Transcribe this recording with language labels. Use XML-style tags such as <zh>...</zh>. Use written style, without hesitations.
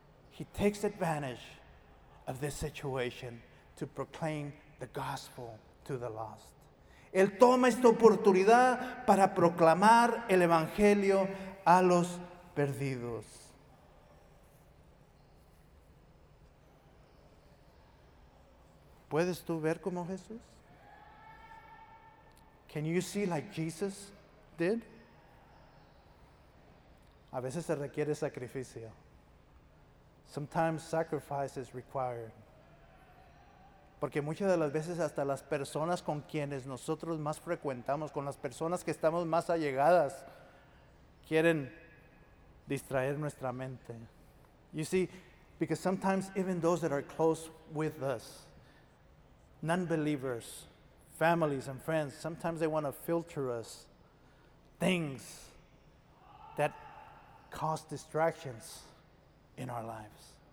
<en>He takes advantage of this situation to proclaim the gospel to the lost.</en> <es>Él toma esta oportunidad para proclamar el evangelio a los perdidos. ¿Puedes tú ver como Jesús?</es> <en>Can you see like Jesus did?</en> <es>A veces se requiere sacrificio.</es> <en>Sometimes sacrifice is required.</en> <es>Porque muchas de las veces hasta las personas con quienes nosotros más frecuentamos, con las personas que estamos más allegadas, quieren distraer nuestra mente.</es> <en>You see, because sometimes even those that are close with us, non-believers, families and friends, sometimes they want to filter us things that cause distractions in our lives.</en>